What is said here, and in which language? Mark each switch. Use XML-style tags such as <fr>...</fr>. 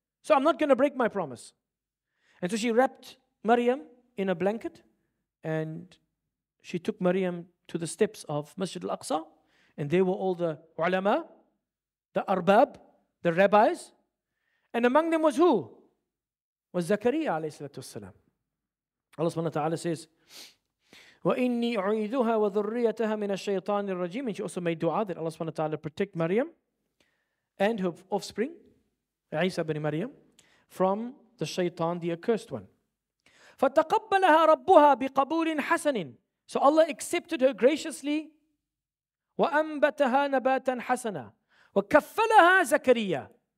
<en>So I'm not going to break my promise. And so she wrapped Maryam in a blanket. And she took Maryam to the steps of Masjid al-Aqsa. And there were all the ulama, the arbab, the rabbis. And among them was who? Was Zakariya alayhi salatu wasalam. Allah subhanahu wa ta'ala says,</en> <ar>وَإِنِّي أُعِيذُهَا وَذُرِّيَّتَهَا مِنَ الشَّيْطَانِ الرَّجِيمِ.</ar> <en>And she also made dua that Allah subhanahu wa ta'ala protect Maryam and her offspring, Isa ibn Maryam, from the shaytan, the accursed one.</en> <ar>فَتَقَبَّلَهَا رَبُّهَا بِقَبُولٍ حَسَنٍ.</ar> <en>So Allah accepted her graciously.</en> <ar>وَأَنْبَتَهَا نَبَاتًا حَسَنًا وَكَفَّلَهَا زَكَرِيَّا.</ar>